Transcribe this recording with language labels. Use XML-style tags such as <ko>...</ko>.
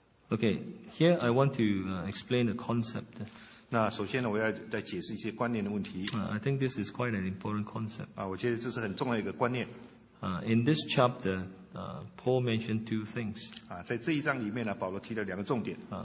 <en>Okay, here I want to explain the concept.</en> <zh>那首先呢，我要再解释一些观念的问题。</zh> <en>I think this is quite an important concept.</en> <zh>我觉得这是很重要的一个观念。</zh> <en>In this chapter, Paul mentioned two things.</en> <zh>在这一章里面呢，保罗提了两个重点。</zh>